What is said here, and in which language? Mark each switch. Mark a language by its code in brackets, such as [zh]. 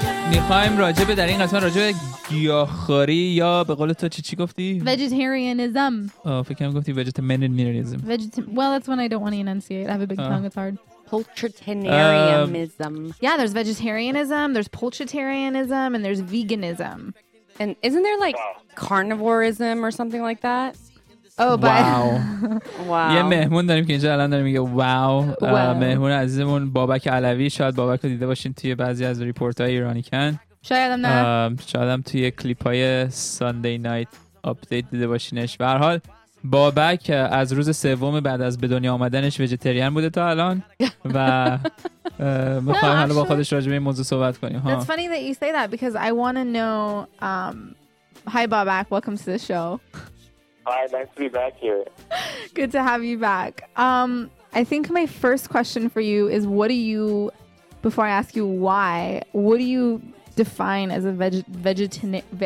[fa] میخوایم راجع به در این قسمت راجع به گیاهخواری یا به قول تو چی گفتی؟ [en] Vegetarianism. [fa] آه فکر کنم گفتی vegetarianism. [en] Well, that's when I don't want to enunciate. I have a big tongue. It's hard. Poultitarianism. Yeah, there's vegetarianism, there's poultitarianism, and there's veganism. And isn't there like carnivorism or something like that? Oh, but wow. Wow. [fa] یه مهمون داریم که اینجا الان داره میگه واو. مهمون عزیزمون بابک علوی، شاید بابک رو دیده باشین توی بعضی از ریپورت‌های ایرانیکن. شاید هم نه. شاید هم توی کلیپ‌های ساندی نایت آپدیت دیده باشینش. به هر حال بابک از روز سوم بعد از به دنیا آمدنش ویژیتریان بوده تا الان و میخوام حالا با خودش راجع به این موضوع صحبت کنیم. [en] That's funny that you say that because I want to know. Hi Bobak, welcome to the show. Hi, nice to be back here. Good to have you back. I think my first question for you is, what do you, before I ask you why, what do you define as a vegetarianism?